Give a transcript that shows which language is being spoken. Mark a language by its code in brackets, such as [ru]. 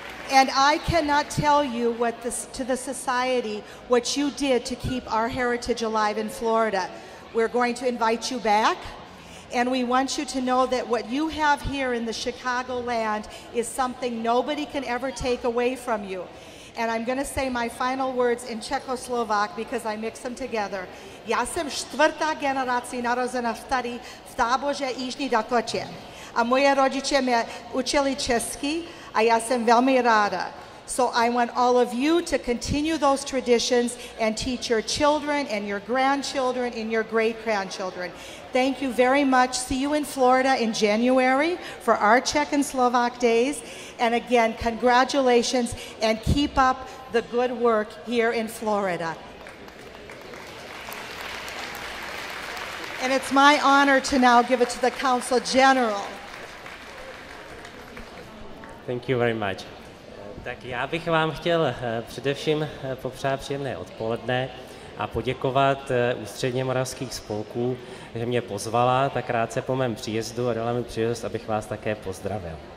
[en] And I cannot tell you what this, to the society, what you did to keep our heritage alive in Florida. We're going to invite you back. And we want you to know that what you have here in the Chicagoland is something nobody can ever take away from you. And I'm going to say my final words in Czechoslovak because I mix them together. [cs] Já jsem čtvrtá generace narozená tady v táboře Jižní Dakotě. A moje rodiče mě učili česky a já jsem velmi ráda. [en] So I want all of you to continue those traditions and teach your children and your grandchildren and your great-grandchildren. Thank you very much. See you in Florida in January for our Czech and Slovak days. And again, congratulations and keep up the good work here in Florida. And it's my honor to now give it to the Council General. Thank you very much. [cs] Tak já bych vám chtěl především popřát příjemné odpoledne a poděkovat Ústředně moravských spolků, že mě pozvala tak krátce po mém příjezdu a dala mi příležitost, abych vás také pozdravil.